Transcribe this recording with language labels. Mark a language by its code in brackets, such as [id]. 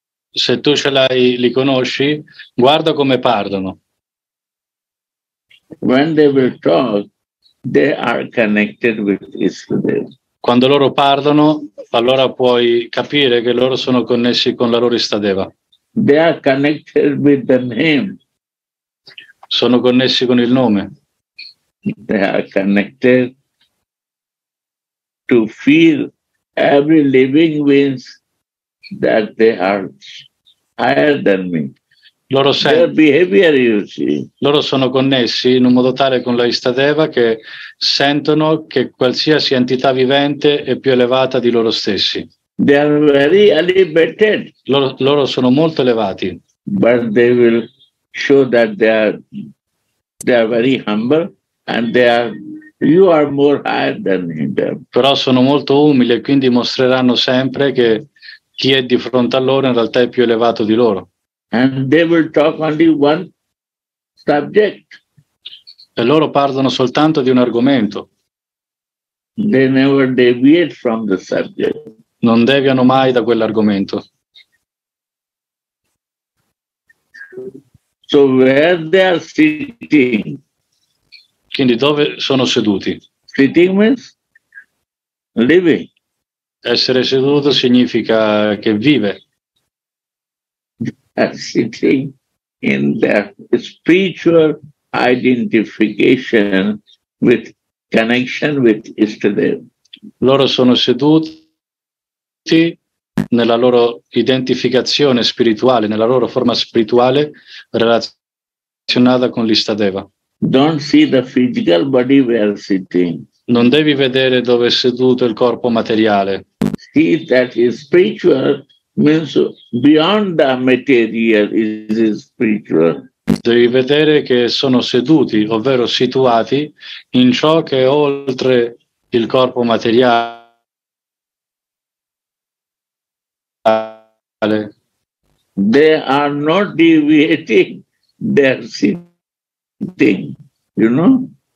[it] Se tu ce l'hai, li conosci, guarda come parlano. [en] When they will talk, they are connected with Isvadeva. [it] Quando loro parlano, allora puoi capire che loro sono connessi con la loro Istadeva. [en] They are connected with the name. [it] Sono connessi con il nome. [en] They are connected to feel every living being that they are higher than me. [it] Loro [en] their behavior, you see. [it] Loro sono connessi in un modo tale con la Istadeva che sentono che qualsiasi entità vivente è più elevata di loro stessi. [en] They are very elevated. [it] Loro sono molto elevati. [en] But they will show that they are very humble and they are, you are more higher than them. [it] Però sono molto umili e quindi mostreranno sempre che chi è di fronte a loro in realtà è più elevato di loro. [en] And they will talk only one subject. [it] E loro parlano soltanto di un argomento. [en] They never deviate from the subject. [it] Non deviano mai da quell'argomento. [en] So where they are sitting. [it] Quindi dove sono seduti? [en] Sitting means living. [it] Essere seduto significa che vive. [en] Sitting in their spiritual identification with connection with Istadeva. [it] Loro sono seduti nella loro identificazione spirituale, nella loro forma spirituale relazionata con l'Istadeva. [en] Don't see the physical body where sitting. [it] Non devi vedere dove è seduto il corpo materiale. [en] See that is spiritual. Means beyond the material is spiritual. [it] Devi vedere che sono seduti, ovvero situati, in ciò che è oltre il corpo materiale. [en] They are not deviating their sitting, you know?